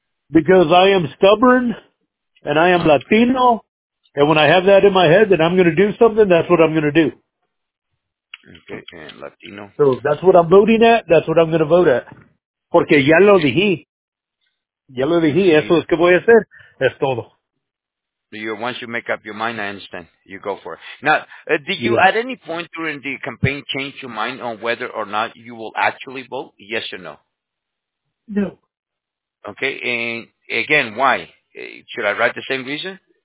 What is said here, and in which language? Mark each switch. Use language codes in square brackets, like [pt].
[en] Because I am stubborn, and I am Latino, and when I have that in my head that I'm going to do something, that's what I'm going to do. Okay, and Latino. So if that's what I'm voting at, that's what I'm going to vote at. [es] Porque ya lo dije. Ya lo dije, eso es que voy a hacer, es todo. [en] Once you make up your mind, I understand, you go for it. Now, did you at any point during the campaign change your mind on whether or not you will actually vote, yes or no? No. Okay, and again, why? Should I write the same reason?